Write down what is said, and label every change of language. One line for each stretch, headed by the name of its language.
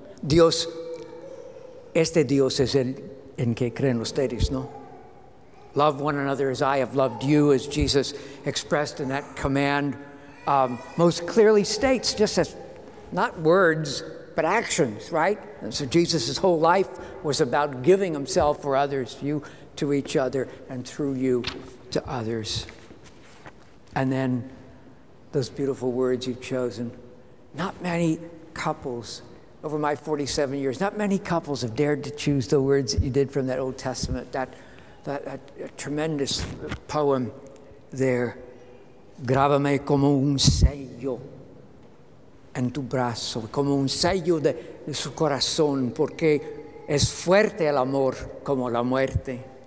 Spanish: Dios, este Dios es el en que creen ustedes, ¿no?
English: Love one another as I have loved you, as Jesus expressed in that command, most clearly states, just as not words, but actions, right? And so Jesus' whole life was about giving himself for others, you to each other, and through you to others. And then those beautiful words you've chosen. Not many couples over my 47 years, not many couples have dared to choose the words that you did from that Old Testament, that tremendous poem there.
Spanish: Grábame como un sello en tu brazo, como un sello de su corazón, porque es fuerte el amor como la muerte.